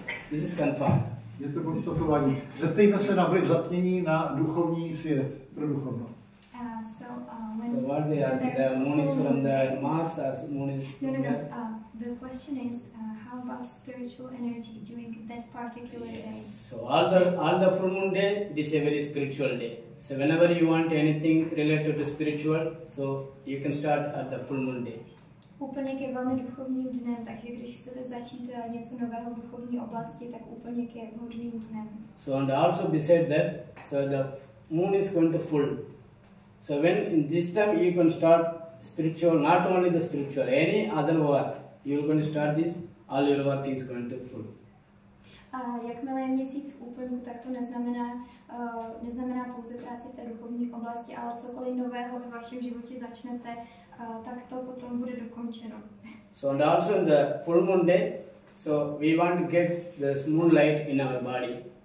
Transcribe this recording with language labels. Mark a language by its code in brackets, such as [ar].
[en] This is confirmed. [cs] Je to konstatování. Zeptejme se na vliv zatmění na duchovní svět. Pro duchovno. [en] So what they are, the moon is from the Mars, as moon is from the... The question is, how about spiritual energy during that particular day? So all the full moon day, this is a very spiritual day. So whenever you want anything related to spiritual, so you can start at the full moon day. [cs] Úplněk je velmi duchovním dnem, takže když chcete začít něco nového v duchovní oblasti, tak úplněk je vhodným dnem. [en] So and also besides that, so the moon is going to full. So when in this time you can start spiritual, not only the spiritual, any other work. You're going to start this, all your work is going to full. [cs] Jakmile je měsíc v úplnu, tak to neznamená, neznamená pouze práci v té duchovní oblasti, ale cokoliv nového ve vašem životě začnete, tak to potom bude dokončeno. [en] So and also in the full moon day, so we want to get the moon light in our body.